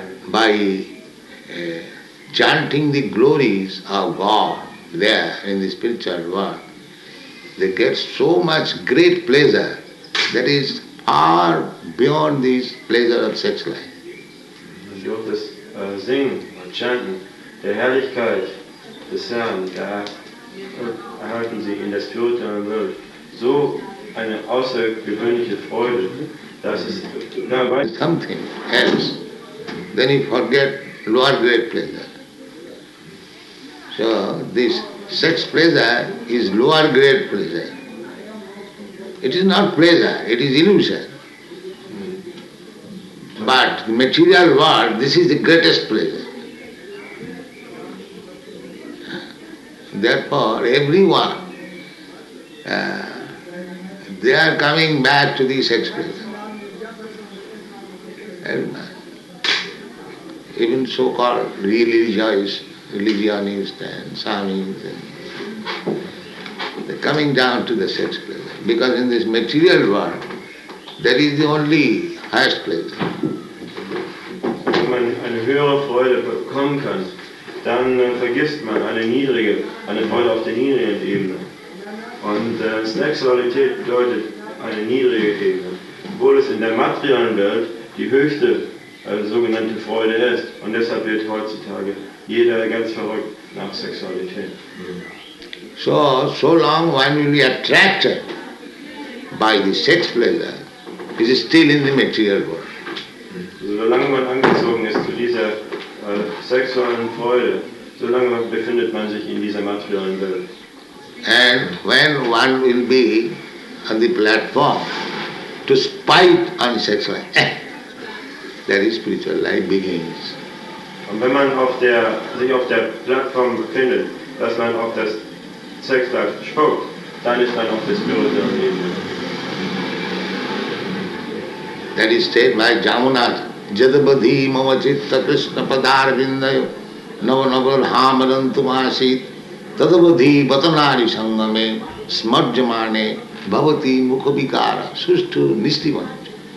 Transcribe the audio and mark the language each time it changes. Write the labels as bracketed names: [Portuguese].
[English] By chanting the glories of God there in the spiritual world, they get so much great pleasure that is are beyond this pleasure of sex life. [German] Durch das Singen und Chanten der Herrlichkeit des Herrn, da erhalten sie in der spirituellen Welt so eine außergewöhnliche Freude, dass es [English] something else, then you forget lower great pleasure. So this sex pleasure is lower great pleasure. It is not pleasure, it is illusion. But the material world, this is the greatest pleasure. Therefore, everyone, they are coming back to the sex pleasure. Everyone. Even so-called religionists and samis, they are coming down to the sex pleasure. Because in this material world, that is the only highest place. [German] Wenn man eine höhere Freude bekommen kann, dann vergisst man eine Freude auf der niedrigen Ebene. Und Sexualität bedeutet eine niedrige Ebene. Obwohl es in der materiellen Welt die höchste sogenannte Freude ist. Und deshalb wird heutzutage jeder ganz verrückt nach Sexualität. [English] So long when we attract it by the sex pleasure, it is still in the material world. [German] Solange man angezogen ist zu dieser sexuellen Freude, solange befindet man sich in dieser materiellen Welt. [English] And when one will be on the platform to spite on sex life, that is spiritual life begins. [German] Und wenn man sich auf der Plattform befindet, dass man auf das Sex-Life spuckt, dann ist man auf der spirituellen Ebene. [English] That is said by Jamunath. [Sanskrit] Jadabadhi mamachitta krishna padarvindayo navanagal hamarantumasit tadabadhi patanari sangame smarjamane bhavati mukhavikara sushtu nistivanach.